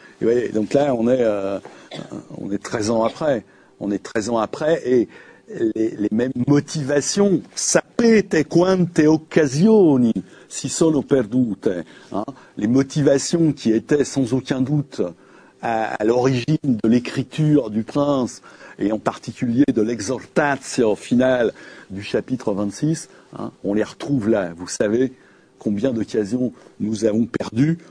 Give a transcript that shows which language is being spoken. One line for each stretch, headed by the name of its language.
French: Et vous voyez, donc là, on est 13 ans après. On est 13 ans après et les mêmes motivations.
Italian: Sapete quante occasioni si sono perdute. Hein.
French: Les motivations qui étaient sans aucun doute à l'origine de l'écriture du prince et en particulier de l'exhortatio finale du chapitre 26, hein, on les retrouve là. Vous savez combien d'occasions nous avons perdues.